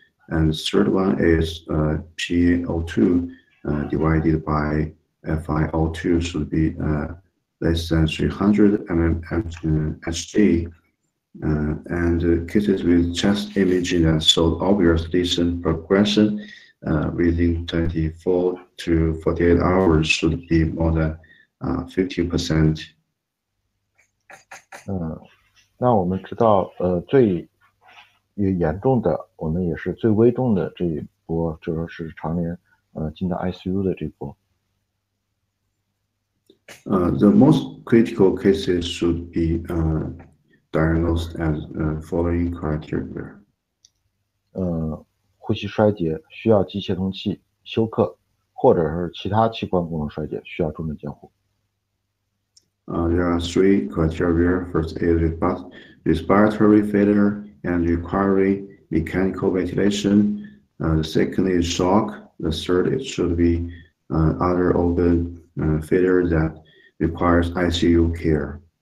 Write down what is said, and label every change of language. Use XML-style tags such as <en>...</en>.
<en>And third one is PaO2 divided by FiO2 should be less than 300 mmHg. And cases with chest imaging that showed obvious lesion progression within 24 to 48 hours should be more than 50%.</en> <zh>那我们知道，最严重的，我们也是最危重的这一波，就是常年进到 ICU 的这波。</zh> <en>The most critical cases should be diagnosed as following criteria.</en> <zh>呼吸衰竭，需要机械通气、休克，或者是其他器官功能衰竭，需要重症监护。</zh> <en>There are three criteria. First is respiratory failure and requiring mechanical ventilation. The second is shock. The third it should be other organ failure that requires ICU care.</en>